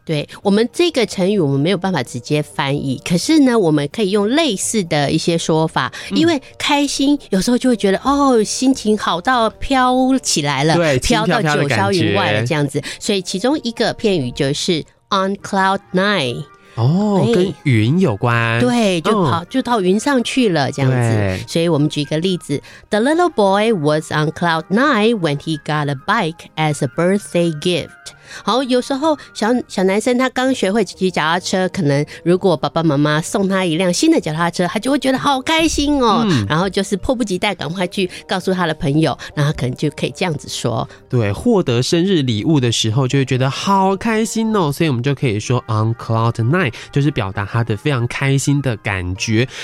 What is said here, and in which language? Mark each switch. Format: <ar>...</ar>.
<zh>对，我们这个成语我们没有办法直接翻译，可是呢我们可以用类似的一些说法，因为开心有时候就会觉得哦，心情好到飘起来了，对，飘到九霄云外了这样子。所以其中一个片语就是</zh> <en>on cloud nine。</en> <zh>哦，跟云有关，欸，对，就跑，就到云上去了这样子。</zh> <en>所以我们举一个例子， The little boy was on cloud nine when he got a bike as a birthday gift。</en> <zh>好，有时候 小男生他刚学会骑脚踏车，可能如果爸爸妈妈送他一辆新的脚踏车，他就会觉得好开心哦，然后就是迫不及待赶快去告诉他的朋友，然后可能就可以这样子说。对，获得生日礼物的时候就会觉得好开心哦，所以我们就可以说</zh> <en>on cloud nine，</en> <zh>就是表达他的非常开心的感觉。</zh>